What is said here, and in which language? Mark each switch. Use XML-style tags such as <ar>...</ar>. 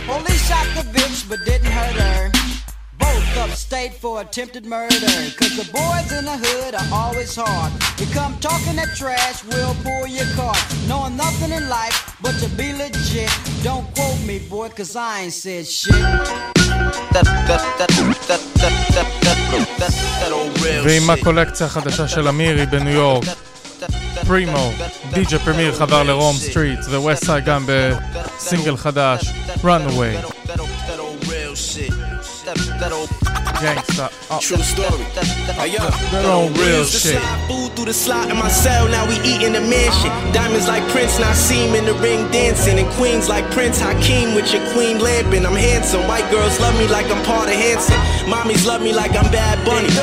<en>Only shot the bitch, but didn't hurt her. Both upstate for attempted murder. Cause the boys in the hood are always hard. You come talking that trash, we'll pull your car. Knowing nothing in life but to be legit. Don't quote me, boy, cause I ain't said shit.</en> <he>ועם הקולקציה החדשה של אמירי בניו יורק, פרימו, דיג'י פרמיר חבר לרום סטריט, וווסטסייד גם בסינגל חדש, Runaway.</he> <en>Gangsta, true story, that's real shit. Food through the slot in my cell, now we eating the mansion. Diamonds like Prince Nassim in the ring dancing, and queens like Prince Hakeem with your queen lamping. I'm handsome, white girls love me like I'm part of Hanson. Mommies love me like I'm Bad Bunny.</en>